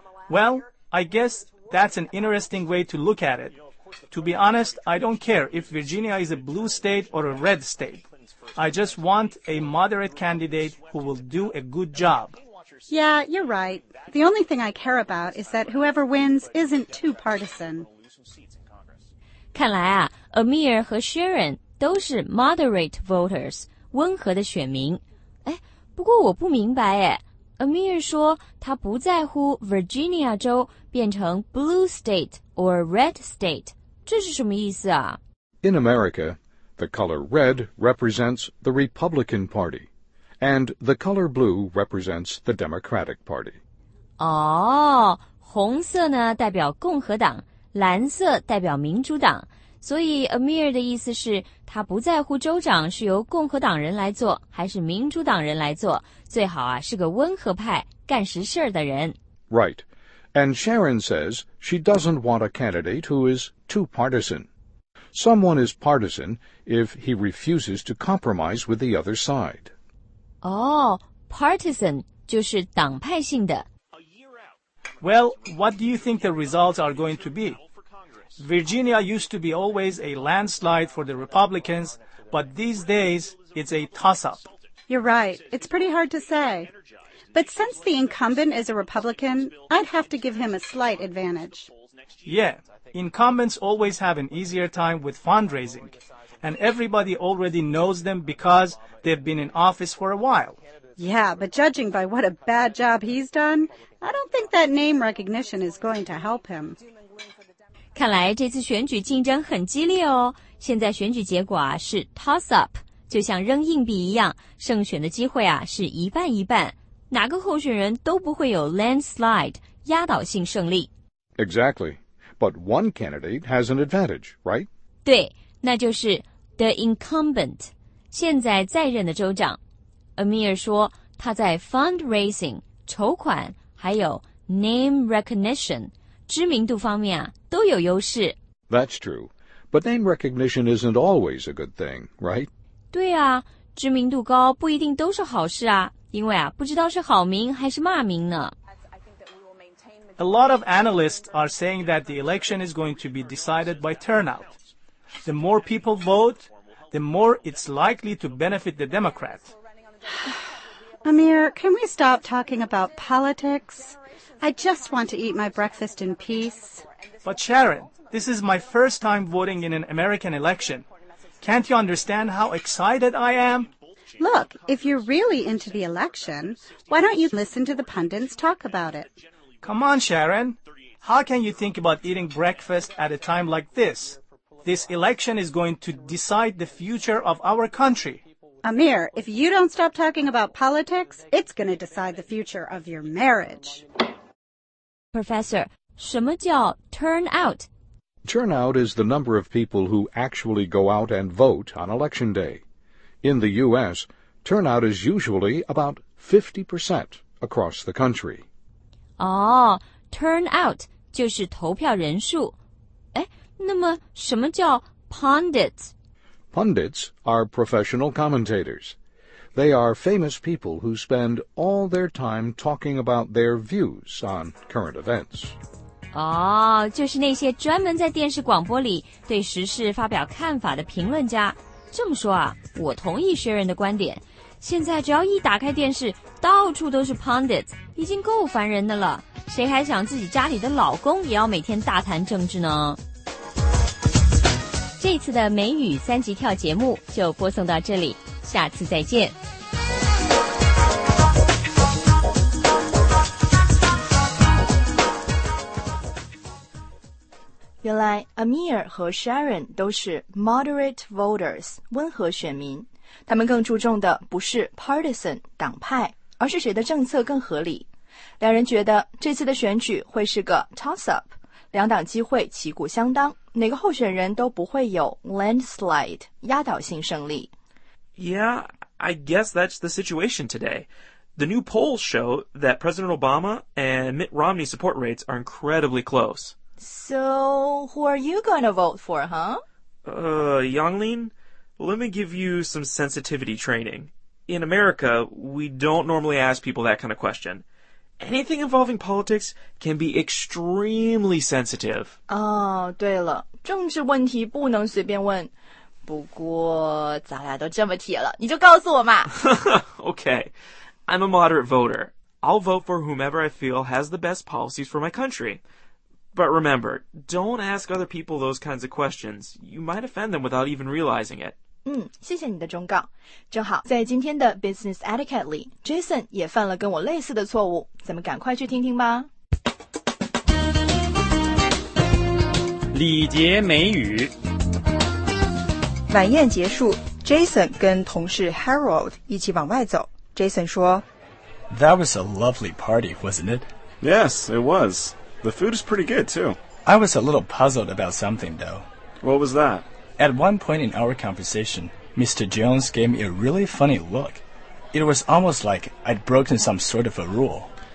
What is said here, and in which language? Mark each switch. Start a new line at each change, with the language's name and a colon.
English: Well, I guess that's an interesting way to look at it. To be honest, I don't care if Virginia is a blue state or a red state. I just want a moderate candidate who will do a good job. Yeah, you're right. The only thing I care about is that whoever wins isn't too partisan.
Chinese: 看来啊 ,Amir 和 Sharon 都是
English: moderate voters,
Chinese: 温和的选民。哎，不过我不明白哎。 Amir 说他不在乎 Virginia 州变成
English: blue state or red state,
Chinese: 这是什么意思啊
English: ?In America, the color red represents the Republican Party, and the color blue represents the Democratic Party.
Chinese: 哦，红色呢代表共和党，蓝色代表民主党，所以 Amir 的意思是他不在乎州长是由共和党人来做还是民主党人来做，最好啊是个温和派干实事的人。
English: Right. And Sharon says she doesn't want a candidate who is too partisan. Someone is partisan if he refuses to compromise with the other side.
Chinese: Oh, partisan 就是党派性的。
English: Well, what do you think the results are going to be? Virginia used to be always a landslide for the Republicans, but these days it's a toss-up. You're right. It's pretty hard to say. But since the incumbent is a Republican, I'd have to give him a slight advantage. Yeah, incumbents always have an easier time with fundraising, and everybody already knows them because they've been in office for a while. Yeah, but judging by what a bad job he's done, I don't think that name recognition is going to help him.
Chinese: 看来这次选举竞争很激烈哦。现在选举结果啊是 toss up, 就像扔硬币一样，胜选的机会啊是一半一半，哪个候选人都不会有 landslide, 压倒性胜利。
English: Exactly. But one candidate has an advantage, right?
Chinese: 对，那就是
English: the incumbent,
Chinese: 现在在任的州长。 Amir 说他在 fundraising, 筹款还有
English: name recognition,
Chinese: 知名度方面啊都有优势。
English: That's true. But name recognition isn't always a good thing, right?
Chinese: 对啊，知名度高不一定都是好事啊，因为啊不知道是好名还是骂名呢。
English: A lot of analysts are saying that the election is going to be decided by turnout. The more people vote, the more it's likely to benefit the Democrats. Amir, can we stop talking about politics? I just want to eat my breakfast in peace. But Sharon, this is my first time voting in an American election. Can't you understand how excited I am? Look, if you're really into the election, why don't you listen to the pundits talk about it? Come on, Sharon. How can you think about eating breakfast at a time like this? This election is going to decide the future of our country. Amir, if you don't stop talking about politics, it's going to decide the future of your marriage.
Chinese: Professor, 什么叫 turnout?
English: Turnout is the number of people who actually go out and vote on election day. In the U.S., turnout is usually about 50% across the country.
Chinese: Oh, turnout 就是投票人数。哎，那么什么叫 pundits?
English: Pundits are professional commentators. They are famous people who spend all their time talking about their views on current events.
Chinese: Oh, 就是那些专门在电视广播里对时事发表看法的评论家。这么说啊，我同意Sharon的观点。现在只要一打开电视，到处都是 pundits, 已经够烦人的了。谁还想自己家里的老公也要每天大谈政治呢？这次的美语三级跳节目就播送到这里，下次再见。原来 Amir 和 Sharon 都是
English: moderate voters,
Chinese: 温和选民。他们更注重的不是 partisan, 党派，而是谁的政策更合理。两人觉得这次的选举会是个 toss-up,两党机会旗鼓相当，哪个候选人都不会有 landslide, 压倒性胜利。
English: Yeah, I guess that's the situation today. The new polls show that President Obama and Mitt Romney support rates are incredibly close. So, who are you going to vote for, huh? Yonglin, let me give you some sensitivity training. In America, we don't normally ask people that kind of question. Anything involving politics can be extremely sensitive.
Chinese: Oh, 对了，政治问题不能随便问。不过咱俩都这么铁了，你就告诉我嘛。
English: Okay, I'm a moderate voter. I'll vote for whomever I feel has the best policies for my country. But remember, don't ask other people those kinds of questions. You might offend them without even realizing it.
Chinese: 嗯，谢谢你的忠告。正好在今天的 Business Etiquette 里 ，Jason 也犯了跟我类似的错误，咱们赶快去听听吧。礼节美语。晚宴结束， Jason 跟同事 Harold 一起往外走。 Jason 说
English: That was a lovely party, wasn't it? Yes, it was. The food is pretty good, too. I was a little puzzled about something, though. What was that? At one point in our conversation, Mr. Jones gave me a really funny look. It was almost like I'd broken some sort of a rule.